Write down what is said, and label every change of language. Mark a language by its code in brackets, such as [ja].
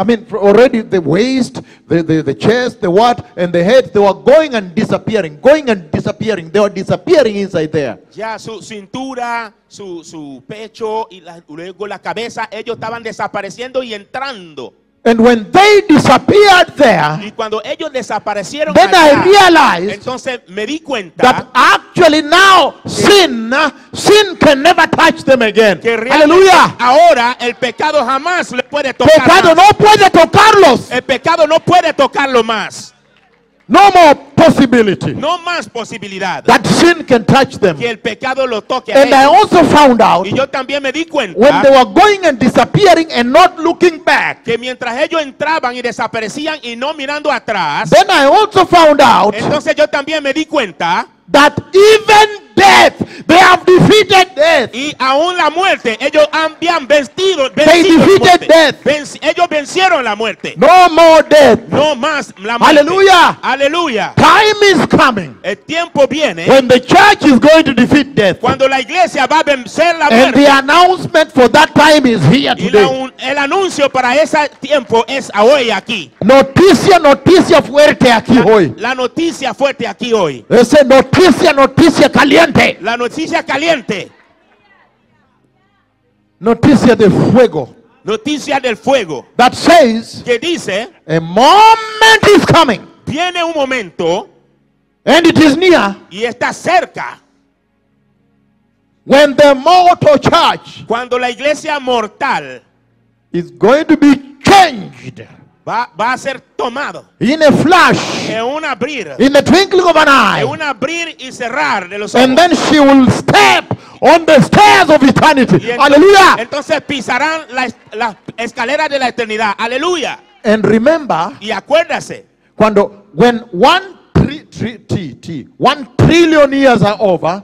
[en] already the waist, the chest, the what, and the head, they were going and disappearing, they were disappearing inside there. [es] Ya su cintura, su pecho, y luego la cabeza, ellos estaban desapareciendo y entrando. [en] And when they disappeared there, [es] y cuando ellos desaparecieron [en] then [es] allá, [en] I realized, [es] entonces me di cuenta, [en] that actually now sin can never touch them again. [es] Hallelujah. Ahora el pecado jamás le puede tocar. Pecado más. No puede tocarlos. El pecado no puede tocarlo más. [en] No more possibility. [es] No más posibilidad. [en] That sin can touch them. [es] Que el pecado lo toque. [en] And a I also found out. [es] Y yo también me di cuenta. [en] When they were going and disappearing and not looking back. [es] Que mientras ellos entraban y desaparecían y no mirando atrás. [en] Then I also found out. [es] Entonces yo también me di cuenta. [en] That even death, They have defeated death. [es] Y aún la muerte, ellos habían vencido. [en] They defeated death. [es] Ellos vencieron la muerte. [en] No more death. [es] No más la muerte. [en] Hallelujah. [es] Hallelujah. [en] Time is coming. [es] El tiempo viene. [en] When the church is going to defeat death. [es] Cuando la iglesia va a vencer la muerte. [en] And the announcement for that time is here today. [es] El anuncio para ese tiempo es hoy aquí. Noticia, noticia fuerte aquí hoy. La noticia fuerte aquí hoy. Esa noticia, noticia caliente. La noticia caliente. Noticia de fuego. Noticia del fuego. [en] That says. [es] Que dice. [en] A moment is coming. [es] Viene un momento. [en] And it is near. [es] Y está cerca. [en] When the mortal church. [es] Cuando la iglesia mortal. [en] Is going to be changed. [es] Va a ser tomado. [en] In a flash. [es] En un abrir. [en] In the twinkling of an eye. [es] En un abrir y cerrar de los ojos. [en] And then she will step on the stairs of eternity. [es] Aleluya. Entonces pisarán la escalera de la eternidad. Aleluya. [en] And remember. [es] Y acuérdase. [en] Cuando, when one trillion years are over.